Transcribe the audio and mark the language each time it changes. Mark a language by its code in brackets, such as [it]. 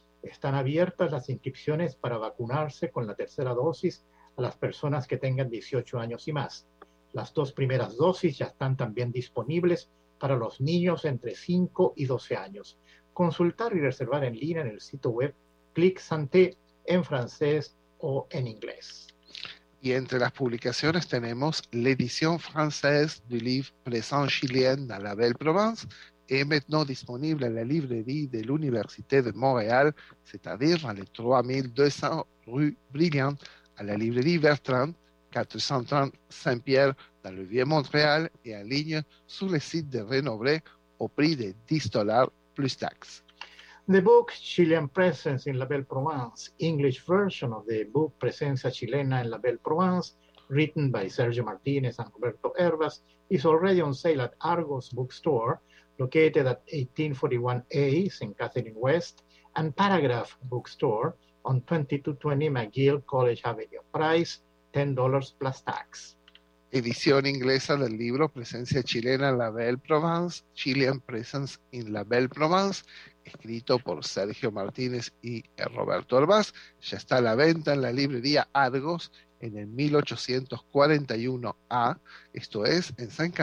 [es] Están abiertas las inscripciones para vacunarse con la tercera dosis a las personas que tengan 18 años y más. Las dos primeras dosis ya están también disponibles para los niños entre 5 y 12 años. Consultar y reservar en línea en el sitio web Clic Santé en francés o en inglés. Y entre las publicaciones tenemos [fr] l'édition française du livre Présent Chilien à la Belle Provence, est maintenant disponible à la librairie de l'Université de Montréal, c'est-à-dire dans les 3200 rue Brilliant, à la librairie Bertrand, 430 Saint-Pierre, dans le Vieux-Montréal, et en ligne sur le site de Renovre au prix de 10$ plus taxes. [en] The book Chilean Presence in La Belle Provence, English version of the book Presencia Chilena en La Belle Provence, written by Sergio Martinez and Roberto Hervas, is already on sale at Argos Bookstore, located at 1841A, St. Catherine West, and Paragraph Bookstore on 2220 McGill College Avenue. Price, $10 plus tax. [es] Edición inglesa del libro Presencia Chilena en La Belle Provence, Chilean Presence in La Belle Provence, escrito por Sergio Martínez y Roberto Hervás, ya está a la venta en la librería Argos en el 1841A, esto es, en St.